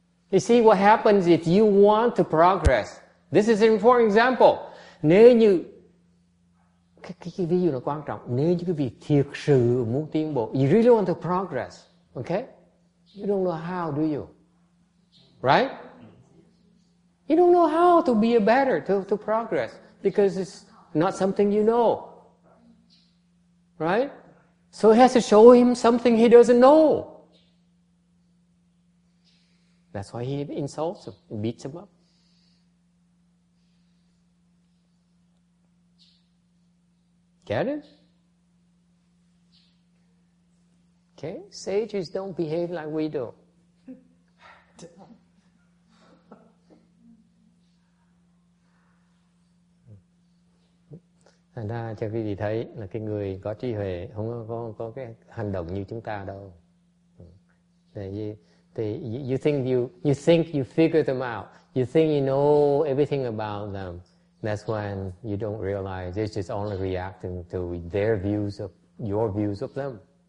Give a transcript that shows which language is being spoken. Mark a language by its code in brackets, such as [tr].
[en] You see what happens if you want to progress. This is an important example. [vi] Nếu như cái ví dụ nó quan trọng, nếu như quý vị thiệt sự muốn tiến bộ, [en] you really want to progress, okay? You don't know how, do you? Right? You don't know how to be a better, to progress, because it's not something you know. Right? So he has to show him something he doesn't know. That's why he insults him and beats him up. Get it? Okay, sages don't behave like we do. [vi] Thành ra cho quý vị thấy là cái người có trí huệ không có cái hành động như chúng ta đâu. [en] You think you figure them out. You think you know everything about them. That's when you don't realize it's just only reacting to their views of your views of them.